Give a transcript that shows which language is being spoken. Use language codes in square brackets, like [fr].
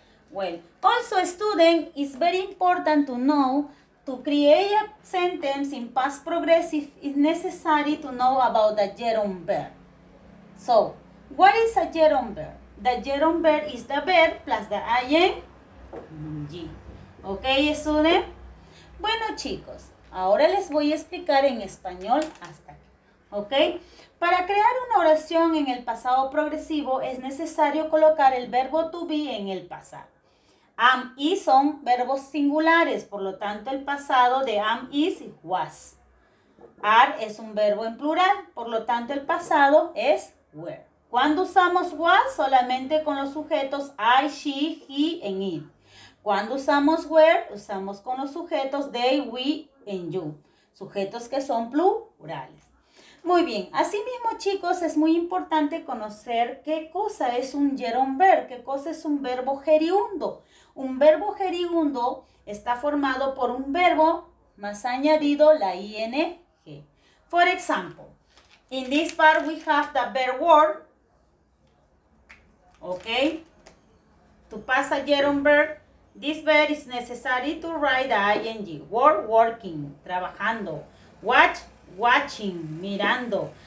[en] Well, also, student, it's very important to know to create a sentence in past progressive, it's necessary to know about the gerund verb. So, what is a gerund verb? The gerund verb is the verb plus the ing. Okay, student? [es] Bueno, chicos, ahora les voy a explicar en español hasta aquí. ¿Ok? Para crear una oración en el pasado progresivo es necesario colocar el verbo to be en el pasado. Am, is son verbos singulares, por lo tanto el pasado de am, is, was. Are es un verbo en plural, por lo tanto el pasado es were. ¿Cuándo usamos was? Solamente con los sujetos I, she, he, and it. ¿Cuándo usamos were? Usamos con los sujetos they, we, and you. Sujetos que son plurales. Muy bien, asimismo, chicos, es muy importante conocer qué cosa es un gerund verb, qué cosa es un verbo geriundo. Un verbo geriundo está formado por un verbo más añadido la ing. [en] For example, in this part we have the verb work. Okay? To pass a gerund verb, this verb is necessary to write the ing. Work, working, trabajando. Watch, watching, mirando.